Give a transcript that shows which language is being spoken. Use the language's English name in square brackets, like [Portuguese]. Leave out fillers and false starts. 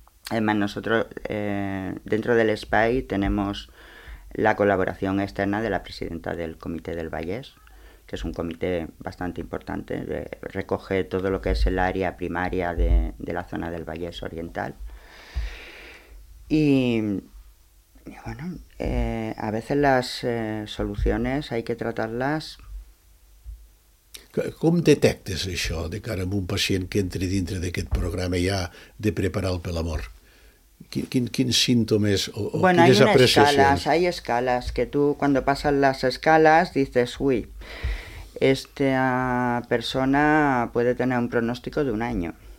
[Spanish] Además, nosotros dentro del SPAI tenemos la colaboración externa de la presidenta del Comité del Vallés, que es un comité bastante importante, recoge todo lo que es el área primaria de la zona del Vallés Oriental. Y bueno, a veces las soluciones hay que tratarlas. [Catalan] Com detectes això de cara a un pacient que entri dintre d'aquest programa ja de preparar-lo per la mort? Quins símptomes o bueno, quines apreciacions? [Spanish] Hay [Catalan] escales que tu, quan passen les escales, [Spanish] dices, ui, esta persona puede tener un pronóstico de un año.